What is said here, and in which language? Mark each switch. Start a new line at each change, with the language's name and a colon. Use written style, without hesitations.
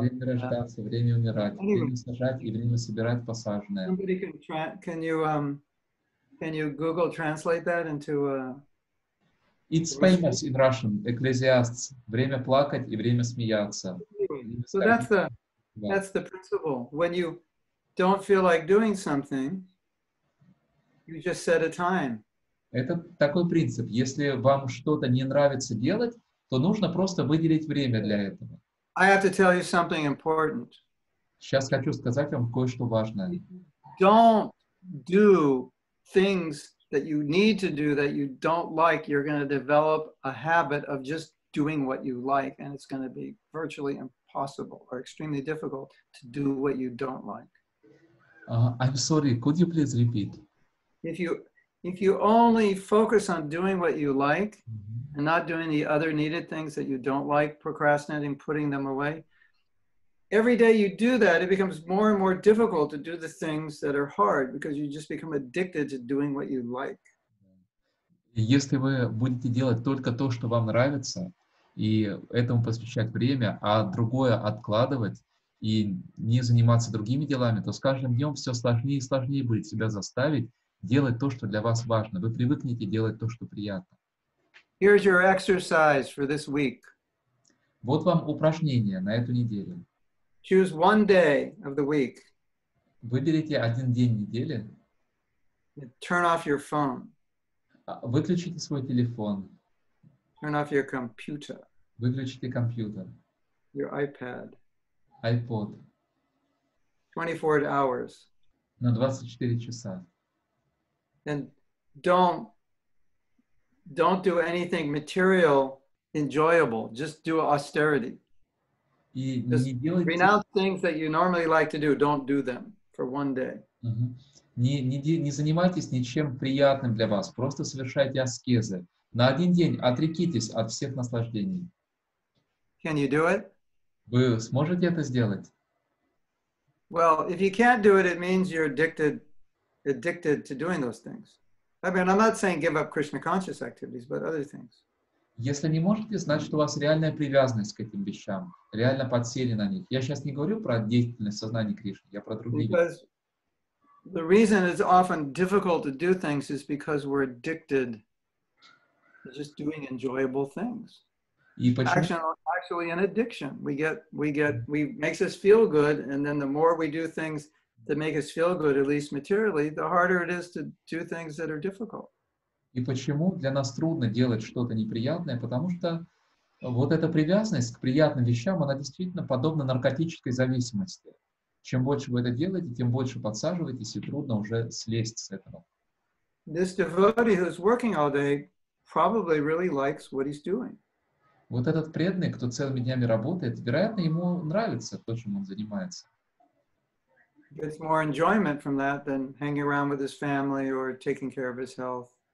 Russian: Время рождаться, время умирать, время сажать и время собирать посаженное.
English: Somebody can you Google translate that into a... It's famous in Russian, Ecclesiastes.
Russian: Время плакать и время смеяться.
English: So that's the principle. When you don't feel like doing something, you just set a time.
Russian: Это такой принцип. Если вам что-то не нравится делать, то нужно просто выделить время для этого.
English: I have to tell you something important.
Russian: Сейчас хочу сказать вам кое-что важное.
English: Don't do things that you need to do that you don't like. You're going to develop a habit of just doing what you like, and it's going to be virtually impossible or extremely difficult to do what you don't like. I'm sorry, could you please repeat? If you only focus on doing what you like, mm-hmm. and not doing the other needed things that you don't like, procrastinating, putting them away, every day you do that, it becomes more and more difficult to do the things that are hard because you just become addicted to doing what you like.
Russian: Если вы будете делать только то, что вам нравится, и этому посвящать время, а другое откладывать и не заниматься другими делами, то с каждым днем все сложнее и сложнее будет себя заставить делать то, что для вас важно. Вы привыкнете делать то, что приятно.
English: Here's your exercise for this week.
Russian: Вот вам упражнение на эту неделю.
English: Choose one day of the week.
Russian: Выберите один день недели.
English: Turn off your phone.
Russian: Выключите свой телефон.
English: Turn off your computer.
Russian: Выключите компьютер.
English: Your iPad. iPod. 24 hours.
Russian: На 24 часа.
English: And don't do anything material enjoyable. Just do austerity. Just renounce things that you normally like to do. Don't do them for one day.
Russian: Не занимайтесь ничем приятным для вас. Просто совершайте аскезы. На один день отрекитесь от всех наслаждений.
English: Can you do it?
Russian: Вы сможете это сделать?
English: Well, if you can't do it, it means you're addicted to doing those things. I mean, I'm not saying give up Krishna conscious activities, but other things.
Russian: Если не можете, значит, у вас реальная привязанность к этим вещам. Реально подсели на них. Я сейчас не говорю про деятельность сознания Кришны, я про другие.
English: Because the reason it's often difficult to do things is because we're addicted to just doing enjoyable things. Actually an addiction. We makes us feel good, and then the more we do things that make us feel good, at least materially, the harder it is to do things that are difficult.
Russian: И почему для нас трудно делать что-то неприятное? Потому что вот эта привязанность к приятным вещам, она действительно подобна наркотической зависимости. Чем больше вы это делаете, тем больше подсаживаетесь, и трудно уже слезть с этого.
English: This devotee who's working all day probably really likes what he's doing.
Russian: Вот этот преданный, кто целыми днями работает, вероятно, ему нравится то, чем он занимается.
English: Gets more enjoyment from that than hanging around with his family or taking care of his health.